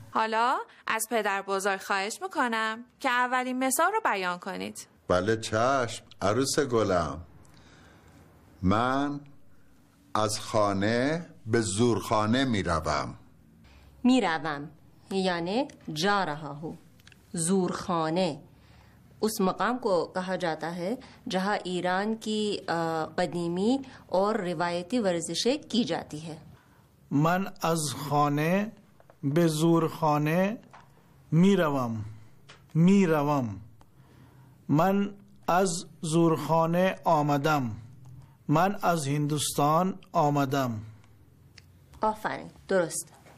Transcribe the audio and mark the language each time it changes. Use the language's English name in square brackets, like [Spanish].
[Persian] حالا از پدر بزرگ خواهش میکنم که اولین مثال رو بیان کنید. بله چشم. عروس گلم، من از خانه به زورخانه میروم. [Urdu] میروم یعنی جا رہا ہوں. زورخانه اس مقام کو کہا جاتا ہے جہاں ایران کی قدیمی اور روایتی ورزشیں کی جاتی ہے. [Persian] من از خانه به زور خانه میروم. میروم، من از زور خانه آمدم. من از هندوستان آمدم. آفرین، درست.